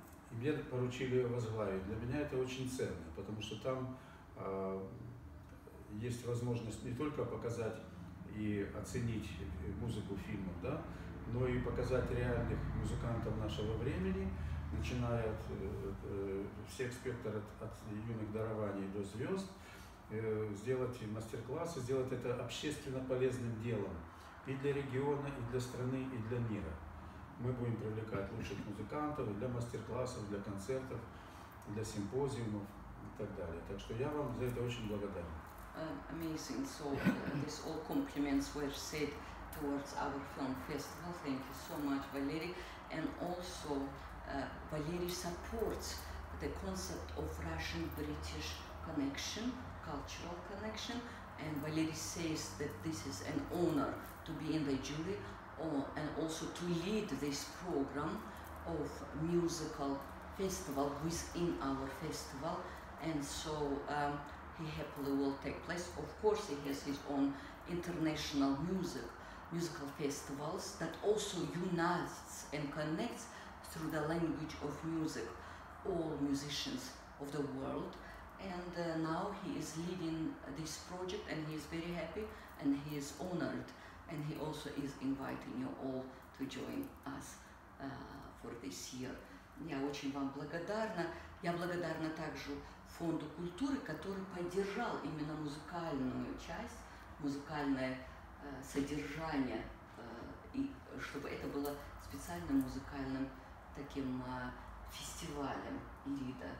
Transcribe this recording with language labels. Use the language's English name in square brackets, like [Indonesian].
[Russian] И мне поручили ее возглавить. Для меня это очень ценно, потому что там есть возможность не только показать и оценить музыку фильмов, да, но и показать реальных музыкантов нашего времени, начиная от всех спектр от юных дарований до звезд, сделать мастер-классы, сделать это общественно полезным делом и для региона, и для страны, и для мира. Мы будем привлекать лучших музыкантов для мастер-классов, для концертов, для симпозиумов и так далее. Так что я вам за это очень благодарен. [English] Amazing. So this all compliments were said towards our film festival. Thank you so much, Valery. And also, Valery supports the concept of Russian-British connection, cultural connection. And Valery says that this is an honor to be in the jury and also to lead this program of musical festival within our festival. And so he happily will take place. Of course, he has his own international musical festivals that also unites and connects through the language of music all musicians of the world. And now he is leading this project and he is very happy and he is honored. And he also is inviting you all to join us for this year. [Russian] Я очень вам благодарна. Я благодарна также Фонду культуры, который поддержал именно музыкальную часть, музыкальное содержание, и чтобы это было специальным музыкальным таким фестивалем Ирида.